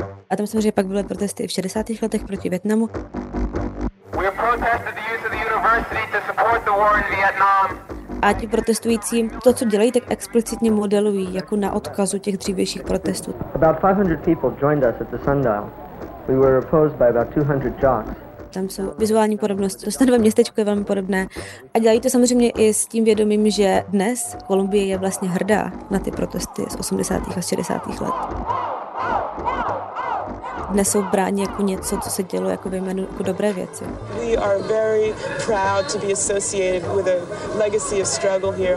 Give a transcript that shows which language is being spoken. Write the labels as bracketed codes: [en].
[cs] A tam samozřejmě pak byly protesty v 60. letech proti Vietnamu. A ti protestující to, co dělají, tak explicitně modelují jako na odkazu těch dřívějších protestů. [en] About 500 people joined us at the Sundial. We were opposed by about 200 jocks. [cs] Tam jsou vizuální podobnosti, to stanové městečko je velmi podobné. A dělají to samozřejmě i s tím vědomím, že dnes Kolumbie je vlastně hrdá na ty protesty z 80. a 60. let. Dnes jsou bráni jako něco, co se dělo jako vyjmenu jako dobré věci. [en] We are very proud to be associated with a legacy of struggle here